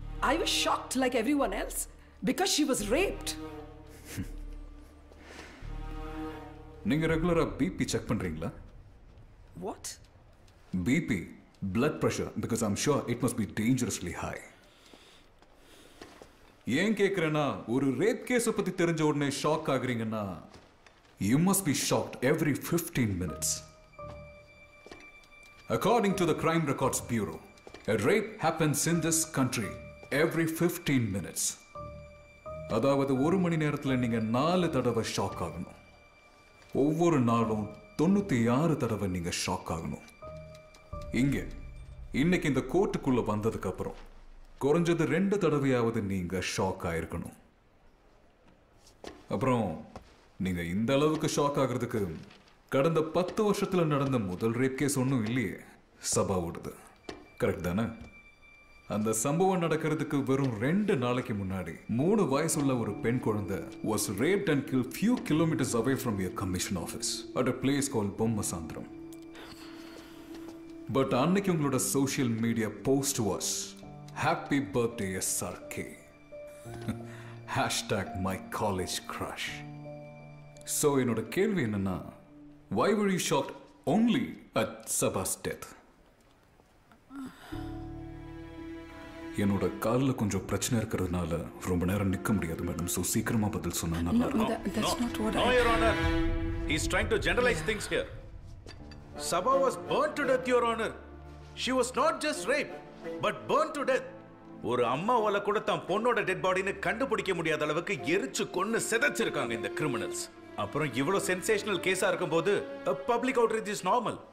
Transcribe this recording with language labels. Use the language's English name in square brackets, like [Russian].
[English] I was shocked like everyone else because she was raped. [Tamil] நீங்க ரெகுலரா BP check பண்றீங்களா? [English] What? BP, blood pressure, because I'm sure it must be dangerously high. [Tamil] ஏன் கேக்குறேன்னா, ஒரு rape கேஸ பத்தி தெரிஞ்ச உடனே shock ஆகுறீங்கன்னா, [English] You must be shocked every 15 minutes. According to the crime records bureau, a rape happens in this country every 15 minutes. [Tamil] அதாவது ஒரு மணி நேரத்தில் நீங்க 4 தடவை ஷாக் ஆகணும். ஒவ்வொரு நாளும் 96 தடவை நீங்க ஷாக் ஆகணும். இங்க இன்னைக்கு இந்த கோர்ட்டுக்குள்ள வந்ததுக்கு அப்புறம் குறைஞ்சது 2 தடவையாவது நீங்க ஷாக் ஆயிருக்கணும். அப்புறம் நீங்க இந்த அளவுக்கு ஷாக் ஆகுறதுக்கு கடந்த 10 வருஷத்துல நடந்த முதல் ரேப் கேஸ் ஒன்றும் இல்லையே சபா ஓடுது, கரெக்ட் தானே? அந்த சம்பவம் நடக்கிறதுக்கு வெறும் 2 நாளைக்கு முன்னாடி 3 வயசுள்ள ஒரு பெண் குழந்தை [English] was raped and killed few kilometers away from your commission office at a place called Bommasandram. But [Tamil] அன்னைக்கு உங்களோட social media post [English] was Happy birthday, SRK. Hashtag my college crush. So, [Tamil] என்னோட கேள்வி என்னன்னா, [English] why were you shocked only at Sabha's death? [Tamil] என்னோட கால்ல கொஞ்சம் பிரச்சனை இருக்கிறதுனால ரொம்ப நேரம் நிக்க முடியாது மேடம். சோ சீக்கிரமா பதில் சொன்னா நல்லா இருக்கும். [English] That's not what I... No, Your Honor. He's trying to generalize things here. Sabha was burnt to death, Your Honor. She was not just raped, but burnt to death. [Tamil] ஒரு அம்மாவால கூட தான் பொண்ணோட dead பாடின்னு கண்டுபிடிக்க முடியாத அளவுக்கு எரிச்சு கொண்டு சிதைச்சிருக்காங்க இந்த கிரிமினல்ஸ். அப்புறம் இவ்வளவு சென்சேஷனல் கேஸா இருக்கும் போது [English] Public outrage is normal.